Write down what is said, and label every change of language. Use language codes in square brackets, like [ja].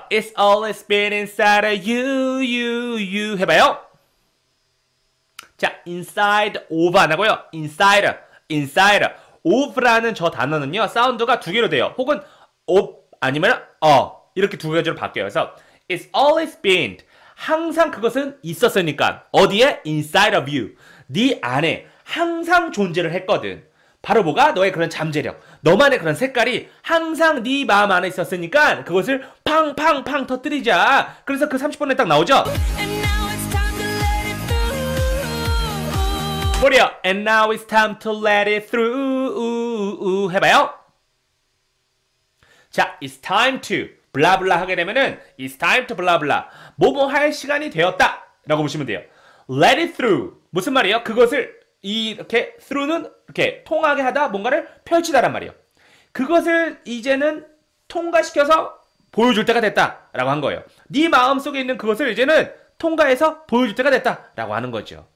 [en] It's always been inside of you, you, you. [ko] 해봐요. 자, inside of 안 하고요. inside, inside of라는 저 단어는요, 사운드가 두 개로 돼요. 혹은 of 아니면 이렇게 두 가지로 바뀌어요. 그래서 [en] it's always been, [ko] 항상 그것은 있었으니까 어디에? [en] inside of you, [ko] 네 안에 항상 존재를 했거든. 바로 뭐가? 너의 그런 잠재력, 너만의 그런 색깔이 항상 네 마음 안에 있었으니까 그것을 팡팡팡 터뜨리자. 그래서 그 30번에 딱 나오죠. [en] And now it's time to let it through. [ko] 해봐요. 자, [en] it's time to, [ko] 블라블라 하게 되면은, it's time to, 블라블라. 뭐뭐 할 시간이 되었다. 라고 보시면 돼요. [en] Let it through. [ko] 무슨 말이에요? 그것을, 이렇게, through는, 이렇게, 통하게 하다, 뭔가를 펼치다란 말이에요. 그것을 이제는 통과시켜서 보여줄 때가 됐다. 라고 한 거예요. 네 마음 속에 있는 그것을 이제는 통과해서 보여줄 때가 됐다. 라고 하는 거죠.